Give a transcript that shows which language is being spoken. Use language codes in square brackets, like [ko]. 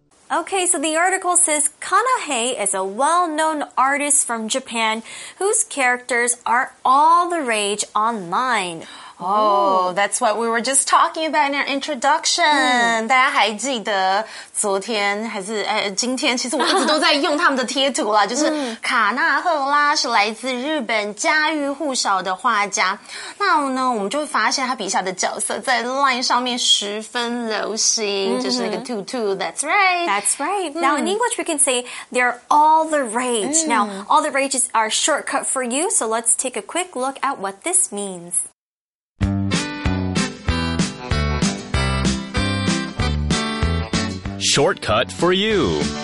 [en] Okay, so the article says Kanahe is a well-known artist from Japan whose characters are all the rage online. Oh, that's what we were just talking about in our introduction. [zh] 大家还记得昨天还是今天，其实我一直都在用他们的贴图啦，就是卡纳赫拉是来自日本家喻户晓的画家。那呢，我们就会发现他笔下的角色在 LINE 上面十分流行，就是那个兔兔。 [en] That's right. That's right. Mm. Now in English, we can say they're all the rage. Mm. Now all the rage is our shortcut for you. So let's take a quick look at what this means. Shortcut for you.